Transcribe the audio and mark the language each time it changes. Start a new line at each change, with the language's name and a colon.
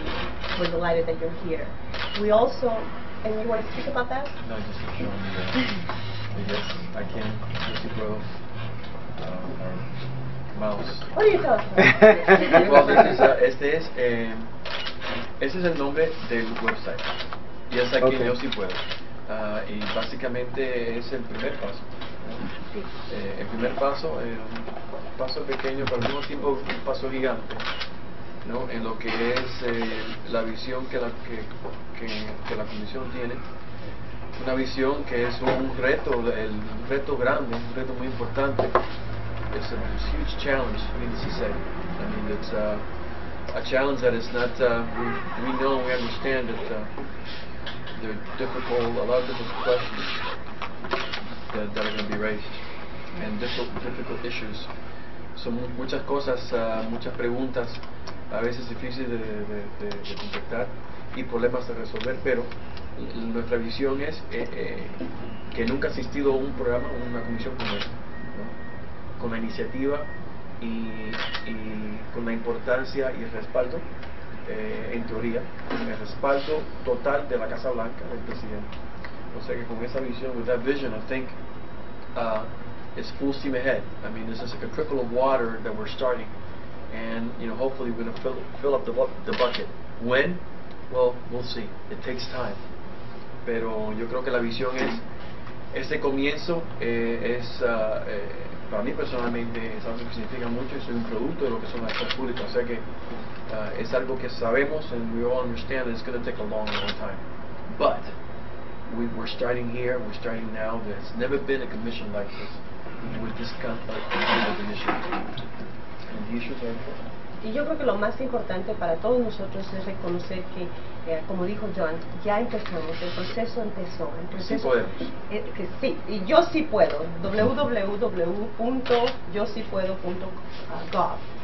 English: And we're delighted that you're here. We also, and you want to speak about that? No, just to show me
Spanish: ese es el nombre del website. Y es aquí okay. Yo sí puedo. Y básicamente es el primer paso. El primer paso es un paso pequeño, pero al mismo tiempo un paso gigante, ¿no? En lo que es la visión que la comisión tiene. Una visión que es un reto grande, un reto muy importante.
English: It's a huge challenge, it's a challenge that is not, we know, we understand that there are a lot of difficult questions that are going to be raised, and difficult issues.
Spanish: Son muchas cosas, muchas preguntas, a veces difíciles de contestar, y problemas de resolver, pero nuestra visión es que nunca ha existido un programa o una comisión como esta, ¿no? Con la iniciativa y con la importancia y el respaldo, en teoría, el respaldo total de la Casa Blanca, del presidente. O sea que con esa visión,
English: with that vision, I think it's full steam ahead. I mean, this is like a trickle of water that we're starting, and you know, hopefully we're going to fill up the bucket. When? Well, we'll see. It takes time.
Spanish: Pero yo creo que la visión es, este comienzo para mí personalmente es algo que significa mucho, y soy un producto de lo que son las escuelas públicas, o sea que es algo que sabemos,
English: and we all understand that it's going to take a long, long time. But, we're starting here, we're starting now, there's never been a commission like this, with this kind of initiative. And the issues are important.
Spanish: Y yo creo que lo más importante para todos nosotros es reconocer que, como dijo John, ya empezamos, el proceso empezó. El proceso, sí podemos. Que sí, y yo sí puedo, www.yosipuedo.gov.